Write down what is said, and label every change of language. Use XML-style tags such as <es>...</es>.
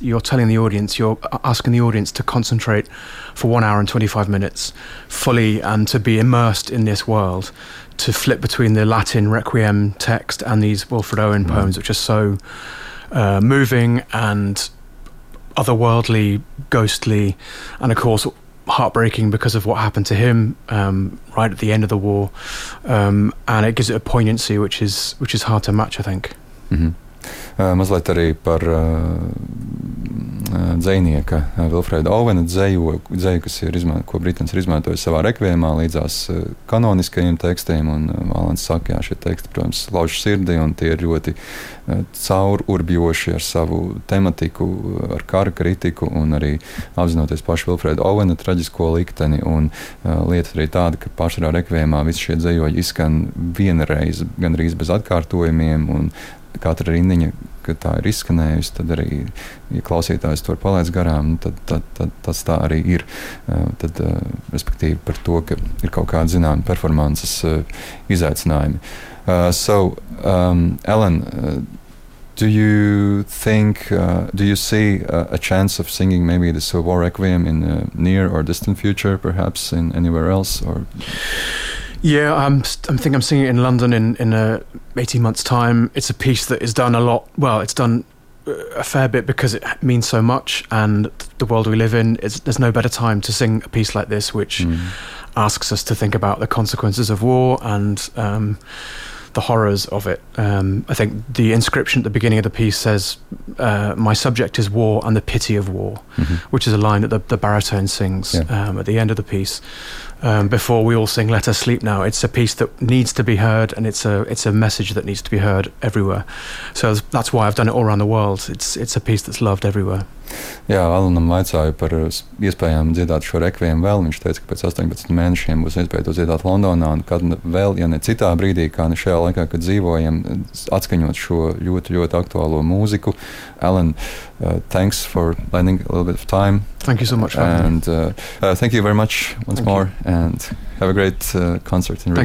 <en>You're telling the audience, you're asking the audience to concentrate for 1 hour and 25 minutes fully and to be immersed in this world, to flip between the Latin Requiem text and these Wilfred Owen poems, which are so moving and otherworldly, ghostly, and of course heartbreaking because of what happened to him right at the end of the war, and it gives it a poignancy which is hard to match, I think.</en> <lv>Mazliet arī par dzejnieka Wilfreda Owena dzeju, ko Britens ir izmantojis savā rekviemā līdzās kanoniskajiem tekstiem, un Alans saka, jā, šie teksti, protams, lauž sirdi, un tie ir ļoti caururbjoši ar savu tematiku, ar kara kritiku, un arī apzinoties pašu Wilfreda Owena traģisko likteni, un lieta arī tāda, ka pašā rekviemā visi šie dzejoļi izskan vienreiz, gandrīz bez atkārtojumiem, un katra rindiņa, ka tā ir izskanējusi, tad arī, ja klausītājs to ir palaic garām, tad tas tā arī ir. Tad, respektīvi, par to, ka ir kaut kāda zināma performances izaicinājumi.</lv> <en>Ellen, do you see a chance of singing maybe the War Requiem in a near or distant future, perhaps in anywhere else? Or? Yeah, I think I'm singing it in London in 18 months' time. It's a piece that is done a lot. Well, it's done a fair bit because it means so much, and the world we live in, there's no better time to sing a piece like this, which asks us to think about the consequences of war and the horrors of it. I think the inscription at the beginning of the piece says, my subject is war and the pity of war, which is a line that the baritone sings at the end of the piece. Before we all sing Let Us Sleep Now, it's a piece that needs to be heard, and it's a message that needs to be heard everywhere. So that's why I've done it all around the world. It's a piece that's loved everywhere.</en> <lv>Jā, Alanam vaicāju par iespējām dziedāt šo rekviem vēl. Viņš teica, ka pēc 18 mēnešiem būs iespēja to dziedāt Londonā, un kad vēl, ja ne citā brīdī, kā ne šajā laikā, kad dzīvojam, atskaņot šo ļoti, ļoti aktuālo mūziku.</lv> <en>Alan, thanks for lending a little bit of time. Thank you so much. And thank you very much once more. And have a great concert in Riga.</en>